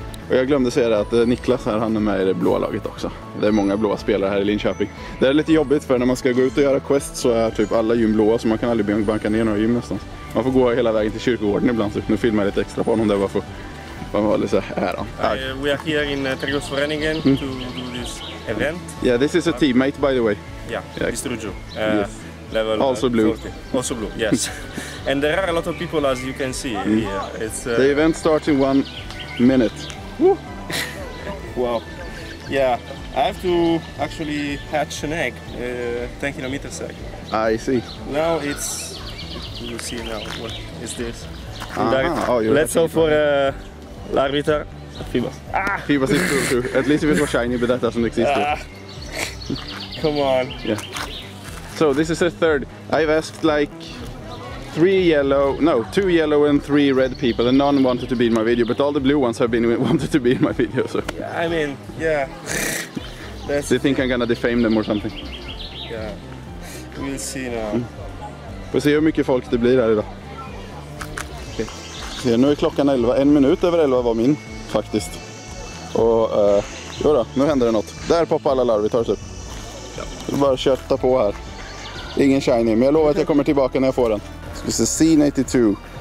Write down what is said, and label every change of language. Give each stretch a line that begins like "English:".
Swedish: Och jag glömde säga det, att Niklas här, han är med i det blåa laget också. Det är många blåa spelare här i Linköping. Det är lite jobbigt, för när man ska gå ut och göra quest så är typ alla gym blåa, så man kan aldrig banka ner några gym nästan. Man får gå hela vägen till kyrkogården ibland, så nu filmar jag lite extra på honom där bara för att vara lite så här då. Tack.
English: We are here in Trädgårdsföreningen to do this event. Yeah, this is a teammate by the way. Yeah, it's Rujo. Level also blue. 40. Also blue, yes. And there are a lot of people as you can see here. It's, the event starts in 1 minute. Wow. Yeah, I have to actually hatch an egg, 10 kilometers egg. I see. Now it's, you see now, what is this? Uh-huh. Oh, let's hope for Larvitar. Fibas. Ah! Fibas is true too. At least if it was shiny, but that doesn't exist. Come on. Yeah. So this is the third. I've asked like two yellow and three red people, and none wanted to be in my video, but all the blue ones have been wanted to be in my video, so. Yeah, I mean, yeah. That's they think I'm gonna defame them or something. Yeah, we'll see now.
Swedish: Får se hur mycket folk det blir här idag. Okay. Nu är klockan 11, en minut över 11 var min, faktiskt. Och, jo då, nu händer det något. Där poppar alla larvitar typ. Ja. Bara köta på här. Ingen shiny, men jag lovar att jag kommer tillbaka när jag får den. Det är C92.